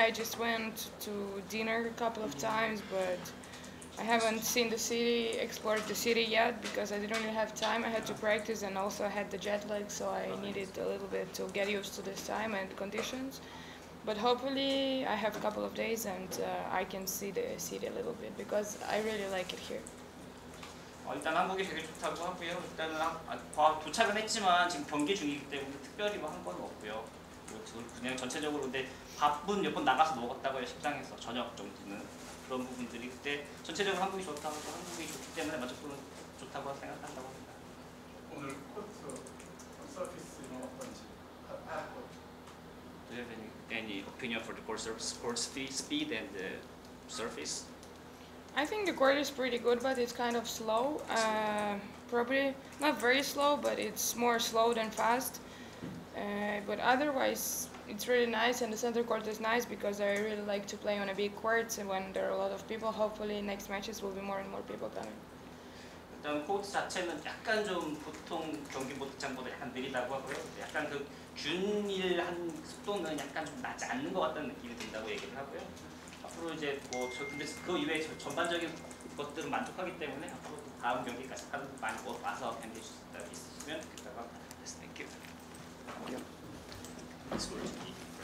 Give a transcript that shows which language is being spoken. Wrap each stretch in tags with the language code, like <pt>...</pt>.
<en>I just went to dinner a couple of times, but I haven't seen the city, explored the city yet, because I didn't really have time. I had to practice, and also I had the jet lag, so I needed a little bit to get used to this time and conditions. But hopefully, I have a couple of days, and I can see the city a little bit, because I really like it here.</en> <ko>일단 한국이 되게 좋다고 하고요. 일단은 도착은 했지만 지금 경기 중이기 때문에 특별히 뭐 한 건 없고요. 그냥 전체적으로 근데 밥은 몇 번 나가서 먹었다고요. 식당에서 저녁 정도는 그런 부분들이 그때 전체적으로 한국이 좋다고 하고 한국이 좋기 때문에 만족도는 좋다고 생각한다고 합니다. 오늘 코트 서비스 어떤지.</ko> <en>Do you have any opinion for the court service, court speed and the surface? I think the court is pretty good, but it's kind of slow. Probably not very slow, but it's more slow than fast. But otherwise, it's really nice, and the center court is nice because I really like to play on a big court. And when there are a lot of people, hopefully next matches will be more and more people coming.</en> <ko>일단 코트 자체는 약간 좀 보통 경기 보드장보다 약간 느리다고 하고요. 약간 그 균일한 속도는 약간 좀 낮지 않는 것 같다는 느낌이 든다고 얘기를 하고요. 앞으로 이제 뭐 근데 그 이외에 전반적인 것들은 만족하기 때문에 앞으로 다음 경기까지 한 많이 곧 와서 경기 있으면 좋겠다고 생각합니다.</ko> <en>Thank you.</en>